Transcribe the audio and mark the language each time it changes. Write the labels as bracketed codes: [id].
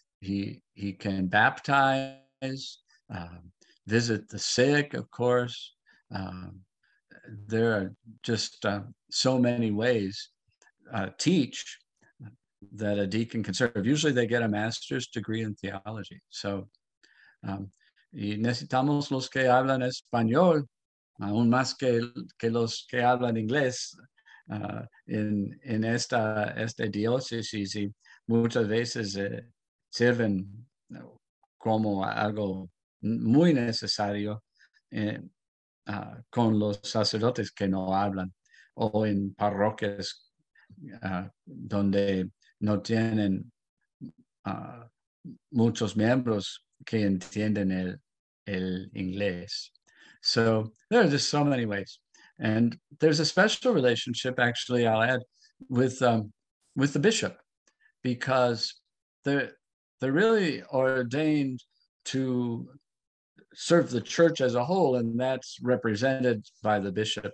[en] He can baptize, visit the sick, of course. There are just so many ways teach that a deacon can serve. Usually they get a master's degree in theology. [es] So y necesitamos los que hablan español, aún más que los que hablan inglés en esta diócesis, y muchas veces sirven como algo muy necesario con los sacerdotes que no hablan, o en parroquias donde no tienen muchos miembros que entienden el inglés. [en] So there are just so many ways. And there's a special relationship, actually, I'll add, with the bishop, because they're really ordained to serve the church as a whole, and that's represented by the bishop.